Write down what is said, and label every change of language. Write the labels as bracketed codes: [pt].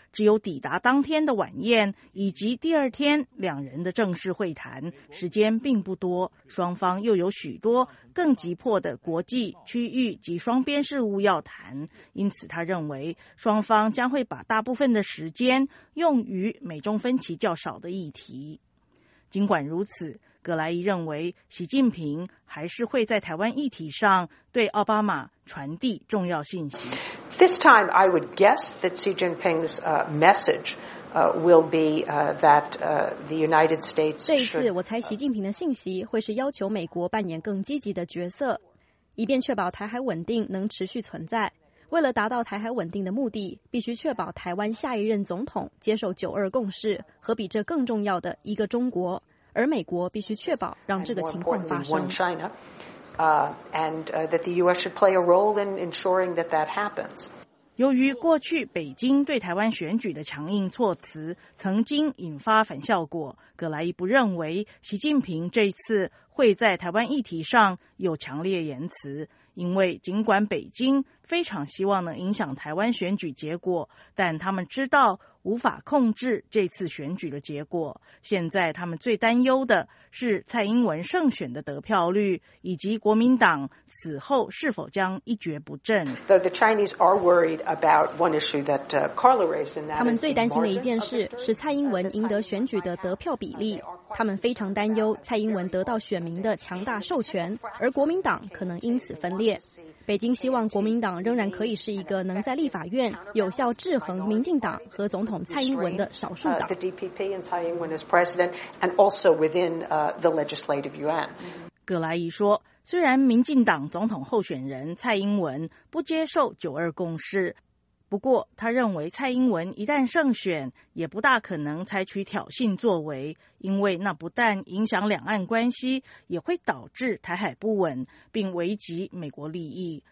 [zh] 只有抵达当天的晚宴以及第二天两人的正式会谈，时间并不多，双方又有许多更急迫的国际、区域及双边事务要谈，因此他认为双方将会把大部分的时间用于美中分歧较少的议题。尽管如此，葛莱仪认为习近平还是会在台湾议题上对奥巴马传递重要信息。 [en] This time, I would guess that Xi Jinping's message will be that the United States should. [zh] 这一次，我猜习近平的信息会是要求美国扮演更积极的角色，以便确保台海稳定能持续存在。为了达到台海稳定的目的，必须确保台湾下一任总统接受九二共识和比这更重要的一个中国，而美国必须确保让这个情况发生。 [en] That the U.S. should play a role in ensuring that that happens. [zh] 由于过去北京对台湾选举的强硬措辞曾经引发反效果，葛莱仪不认为习近平这次会在台湾议题上有强烈言辞，因为尽管北京非常希望能影响台湾选举结果，但他们知道无法控制这次选举的结果。现在他们最担忧的是蔡英文胜选的得票率，以及国民党此后是否将一蹶不振。 [en] The Chinese are worried about one issue that Carla raised, and that [zh] 他们最担心的一件事是蔡英文赢得选举的得票比例。他们非常担忧蔡英文得到选民的强大授权，而国民党可能因此分裂。北京希望国民党仍然可以是一个能在立法院有效制衡民进党和总统蔡英文的少数党。 [en] DPP and 蔡英文 as president and also within the legislative yuan。 [zh] 葛莱仪说，虽然民进党总统候选人蔡英文不接受九二共识，不过他认为蔡英文一旦胜选，也不大可能采取挑衅作为，因为那不但影响两岸关系，也会导致台海不稳，并危及美国利益。